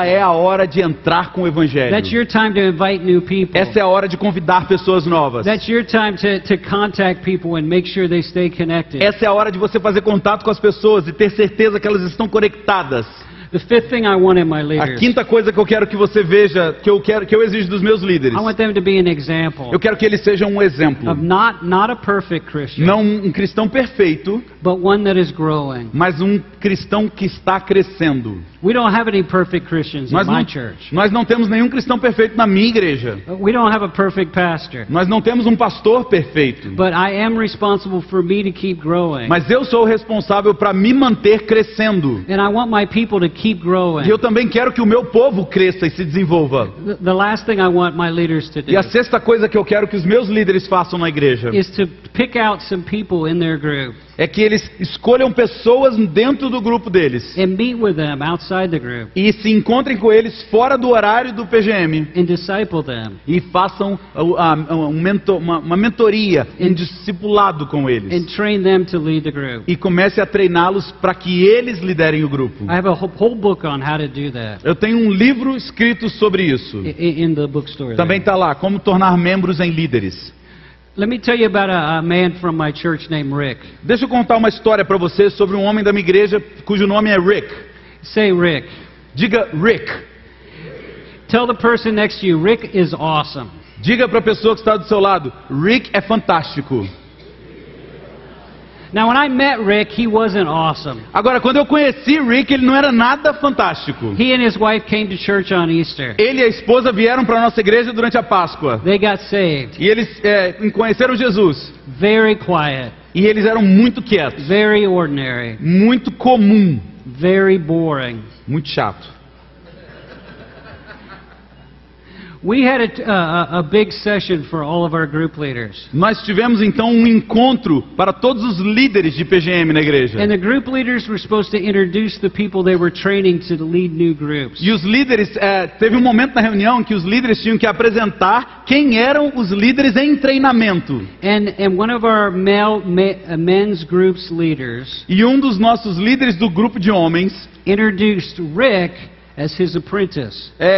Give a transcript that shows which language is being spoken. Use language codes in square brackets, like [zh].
[pt] É a hora de entrar com o evangelho. [en] That's your time to invite new people. [pt] Essa é a hora de convidar pessoas novas. [en] That's your time to contact people and make sure they stay connected. [pt] Essa é a hora de você fazer contato com as pessoas e ter certeza que elas estão conectadas. [en] The fifth thing I want in my leaders, [pt] a quinta coisa que eu quero que você veja, que eu exijo dos meus líderes, [en] I want them to be an example, [pt] eu quero que eles sejam um exemplo, [en] of not a perfect Christian, [pt] não um cristão perfeito, [en] but one that is growing, [pt] mas um cristão que está crescendo. [en] We don't have any perfect Christians in my church. [pt] Nós não temos nenhum cristão perfeito na minha igreja. [en] We don't have a perfect pastor. [pt] Nós não temos um pastor perfeito. [en] But I am responsible for me to keep growing. [pt] Mas eu sou responsável para me manter crescendo. [en] And I want my people to keep growing. [pt] E eu também quero que o meu povo cresça e se desenvolva. [en] The last thing I want my leaders to do. [pt] E a sexta coisa que eu quero que os meus líderes façam na igreja [en] is to pick out some people in their group. [pt] É que eles escolham pessoas dentro do grupo deles. [en] And meet with them outside the group. [pt] E se encontrem com eles fora do horário do PGM. [en] And disciple them. [pt] E façam uma mentoria, um discipulado com eles. [en] And train them to lead the group. [pt] E comece a treiná-los para que eles liderem o grupo. [en] I have a whole book on how to do that. [pt] Eu tenho um livro escrito sobre isso. [en] In the bookstore. [pt] Também está lá, como tornar membros em líderes. [en] Let me tell you about a man from my church named Rick. [pt] Deixa eu contar uma história para você sobre um homem da minha igreja cujo nome é Rick. [en] Say Rick. [pt] Diga Rick. [en] Tell the person next to you, Rick is awesome. [pt] Diga para a pessoa que está do seu lado, Rick é fantástico. [en] Now when I met Rick, he wasn't awesome. [pt] Agora quando eu conheci Rick, ele não era nada fantástico. [en] He and his wife came to church on Easter. [pt] Ele e a esposa vieram para nossa igreja durante a Páscoa. [en] They got saved. [pt] E eles conheceram Jesus. [en] Very quiet. [pt] E eles eram muito quietos. [en] Very ordinary. [pt] Muito comum. [en] Very boring. [pt] Muito chato. [en] We had a big session for all of our group leaders. [pt] Nós tivemos então encontro para todos os líderes de PGM na igreja. [en] And the group leaders were supposed to introduce the people they were training to lead new groups. [pt] E os líderes teve momento na reunião que os líderes tinham que apresentar quem eram os líderes em treinamento. [en] And one of our men's groups leaders. [pt] E dos nossos líderes do grupo de homens [en] introduced Rick as his apprentice.